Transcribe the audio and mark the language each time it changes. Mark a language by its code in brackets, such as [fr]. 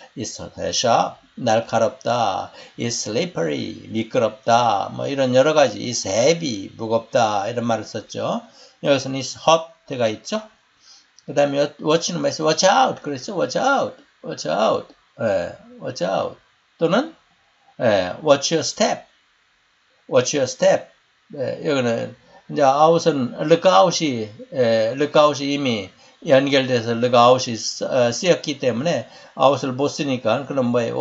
[en] It's sharp, [ko] 날카롭다. [en] It's slippery, [ko] 미끄럽다. 뭐 이런 여러 가지. [en] It's heavy, [ko] 무겁다. 이런 말을 썼죠. 여기서는 [en] It's hot [ko] 가 있죠. 그 다음에 Watch는 뭐였어? [en] Watch out, [ko] 그랬죠? [en] Watch out, watch out, watch out. [ko] 또는 [en] watch your step. Watch your step. [ko] 여기는 이제 아웃은 look out이 이미 연결돼서 look out이 쓰였기 때문에 아웃을 못 쓰니까 그럼 뭐예요?